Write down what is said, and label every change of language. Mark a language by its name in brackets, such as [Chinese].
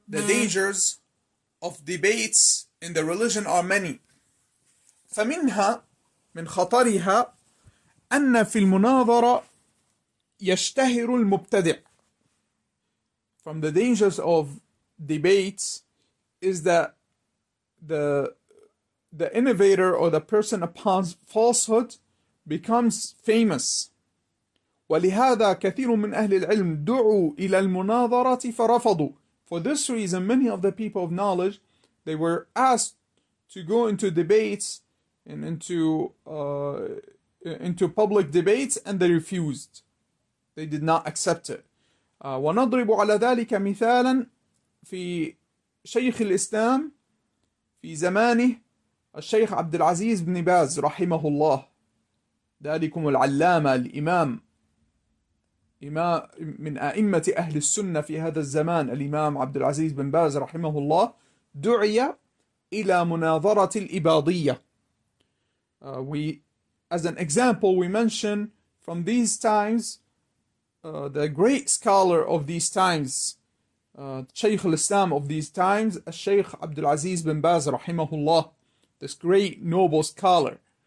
[English] The dangers of debates in the religion are many. [Arabic] فمنها من خطرها أن في المناظرة يشتهر المبتدع. [English] From the dangers of debates is that the innovator or the person upon falsehood becomes famous. [Arabic] ولهذا كثير من أهل العلم دعوا إلى المناظرة فرفضوا. [English] For this reason, many of the people of knowledge, they were asked to go into debates and into public debates, and they refused. They did not accept it. [Arabic] ونضرب على ذلك مثالا في شيخ الإسلام في زمانه الشيخ عبد العزيز بن باز رحمه الله ذلكم العلامة الإمام من أئمة أهل السنة في هذا الزمان الإمام عبد العزيز بن باز رحمه الله دعي إلى مناظرة الإباضية. [English] As an example, we mention from these times the great scholar of these times, Shaykh al-Islam of these times, Shaykh Abdul Aziz bin Baz rahimahullah, this great noble scholar.